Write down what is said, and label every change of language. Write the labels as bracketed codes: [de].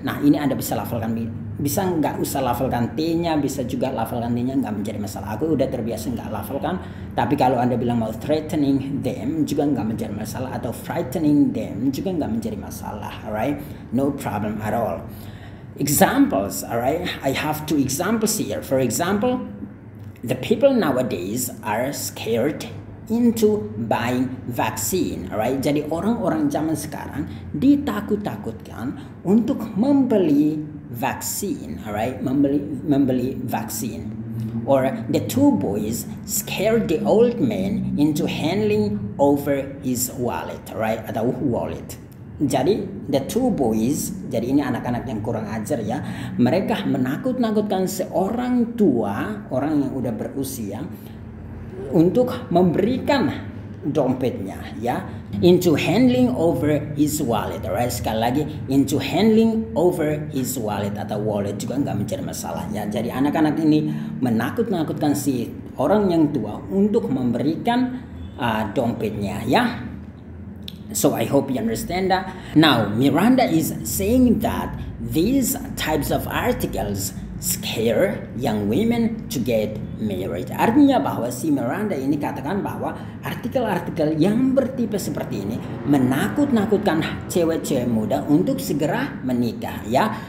[id] Nah, ini Anda bisa lafalkan, bisa nggak usah lafalkan T-nya, bisa juga lafalkan T-nya, nggak menjadi masalah. Aku udah terbiasa nggak lafalkan, tapi kalau Anda bilang mau [en] threatening them [id] juga nggak menjadi masalah, atau [en] frightening them [id] juga nggak menjadi masalah, alright? [en] No problem at all. Examples, alright? I have two examples here. For example, the people nowadays are scared into buying vaccine, alright? [id] Jadi orang-orang zaman sekarang ditakut-takutkan untuk membeli vaccine, alright? Membeli vaccine. [en] Or the two boys scared the old man into handing over his wallet, right? [id] Atau wallet. Jadi [en] the two boys, [id] jadi ini anak-anak yang kurang ajar ya, mereka menakut-nakutkan seorang tua, orang yang udah berusia, untuk memberikan dompetnya ya, [en] into handling over his wallet, right? [id] Sekali lagi, [en] into handling over his wallet [id] atau wallet juga nggak mencari masalah ya. Jadi anak-anak ini menakut-nakutkan si orang yang tua untuk memberikan dompetnya ya. [en] So I hope you understand that. Now Miranda is saying that these types of articles scare young women to get married. [id] Artinya bahwa si Miranda ini katakan bahwa artikel-artikel yang bertipe seperti ini menakut-nakutkan cewek-cewek muda untuk segera menikah ya.